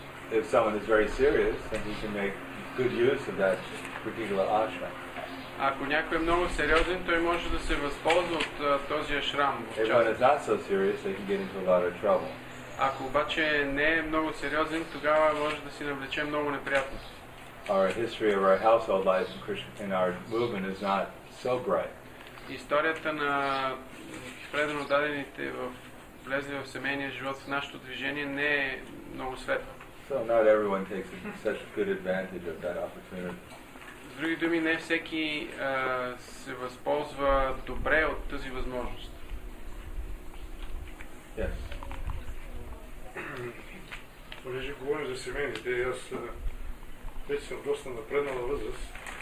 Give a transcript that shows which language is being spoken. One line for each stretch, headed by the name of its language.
English: If someone is very serious, then he can make good use of that particular ashram.
Bulgarian: Ако някой е много сериозен, той може да се възползва от този ашрам.
English: If one is not so serious, they can get into a lot of trouble.
Bulgarian: Ако обаче не е много сериозен, тогава може да си навлече много неприятности.
English: Our history of our household life in Krishna in our movement is not so bright.
Bulgarian: Историята на предано дадените в влезли в семейния живот в нашето движение не е много светла.
English: So not everyone takes such good advantage of that opportunity.
Bulgarian: С други думи, не всеки се възползва добре от тази възможност.
English: Yes.
Bulgarian: Понеже говорим за семейните, аз вече съм доста напреднала възраст.